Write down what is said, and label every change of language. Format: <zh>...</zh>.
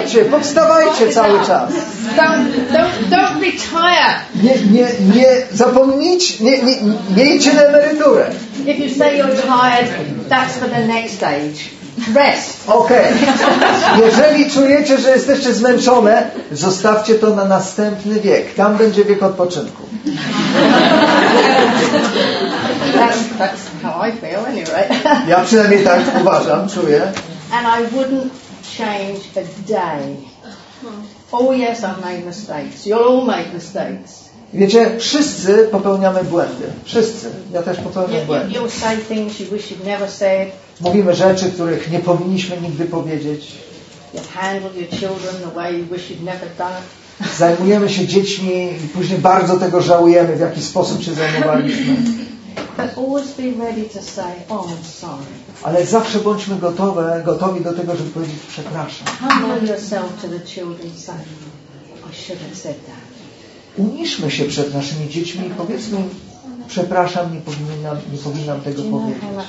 <pl>Powstawajcie cały czas.</pl> <en>Don't retire.</en> <pl>Nie zapomnieć. Nie idźcie na emeryturę.</pl> <en>If you say you're tired, that's for the next stage. Rest. Okay.</en> <pl>Jeżeli czujecie, że jesteście zmęczone, zostawcie to na następny wiek. Tam będzie wiek odpoczynku.</pl> <en>That's how I feel anyway.</en> <pl>Ja przynajmniej tak uważam, czuję.</pl> <en>And I wouldn't change a day. Oh yes, I've made mistakes. You'll all make mistakes.</en> <pl>Wiecie, wszyscy popełniamy błędy. Wszyscy. Ja też popełniam błędy.</pl> <en>You say things you wish you'd never said.</en> <pl>Mówimy rzeczy, których nie powinniśmy nigdy powiedzieć.</pl> <en>You've handled your children the way you wish you'd never done.</en> <pl>Zajmujemy się dziećmi i później bardzo tego żałujemy, w jaki sposób się zajmowaliśmy.</pl> <en>But always be ready to say, oh, I'm sorry.</en> <pl>Ale zawsze bądźmy gotowi do tego, żeby powiedzieć przepraszam.</pl> <en>Humble yourself to the children saying, I should have said that.</en> <pl>Uniżmy się przed naszymi dziećmi i powiedzmy, przepraszam, nie powinnam tego powiedzieć.</pl>